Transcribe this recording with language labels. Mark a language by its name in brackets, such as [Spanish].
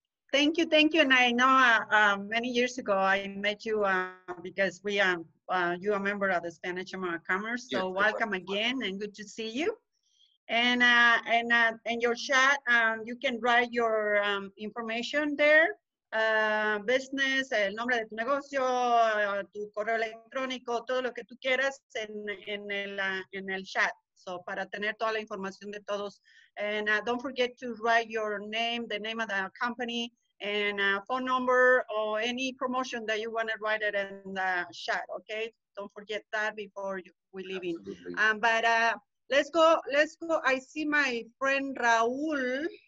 [English] Thank you, thank you. And I know many years ago I met you because we are you are a member of the Spanish Chamber of Commerce. So yes, welcome again, and good to see you. And in your chat, you can write your information there. [Spanish] Business, el nombre de tu negocio, tu correo electrónico, todo lo que tú quieras en el chat. So, para tener toda la información de todos. [English] And don't forget to write your name, the name of the company, and phone number or any promotion that you want to write it in the chat, okay? Don't forget that before we leave. Absolutely. But let's go. I see my friend Raúl.